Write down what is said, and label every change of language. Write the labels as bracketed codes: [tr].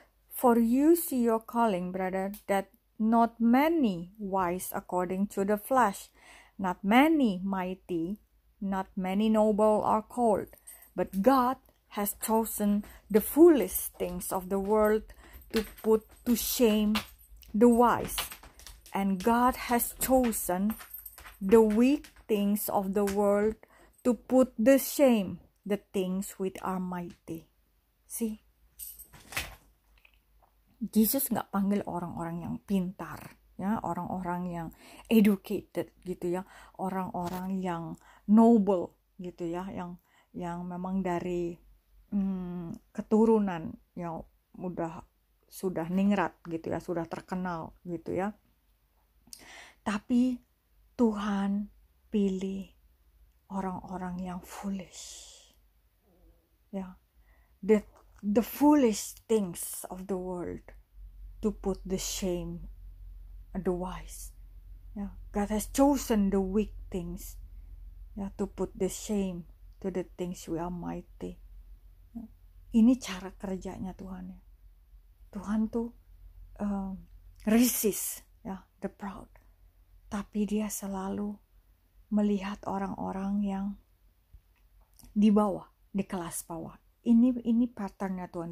[en] For you see your calling, brother, that not many wise according to the flesh, not many mighty, not many noble are called, but God has chosen the foolish things of the world to put to shame the wise, and God has chosen the weak things of the world to put to shame the things which are mighty. See? [id] Jesus nggak panggil orang-orang yang pintar, ya, orang-orang yang educated gitu ya, orang-orang yang noble gitu ya, yang memang dari keturunan yang sudah ningrat gitu ya, sudah terkenal gitu ya. Tapi Tuhan pilih orang-orang yang foolish. Ya. [en] The foolish things of the world to put the shame and the wise. [id] Ya. [en] God has chosen the weak things to put the shame to the things we are mighty. [id] Ya. Ini cara kerjanya Tuhan. Ya. Tuhan tuh [en] resist the proud. [id] Tapi dia selalu melihat orang-orang yang di bawah, di kelas bawah. Ini patternnya Tuhan.